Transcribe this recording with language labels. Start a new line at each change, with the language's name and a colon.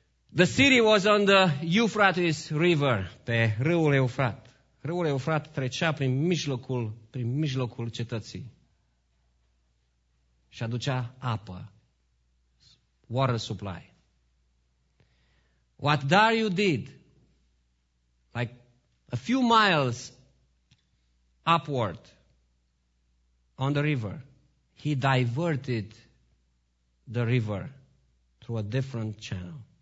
English: The city was on the Euphrates River,
Romanian: pe râul Eufrat. Râul Eufrat trecea prin mijlocul cetății și aducea apă,
English: water supply. What Dariu did, like a few miles upward on the river, he diverted the river through a different channel.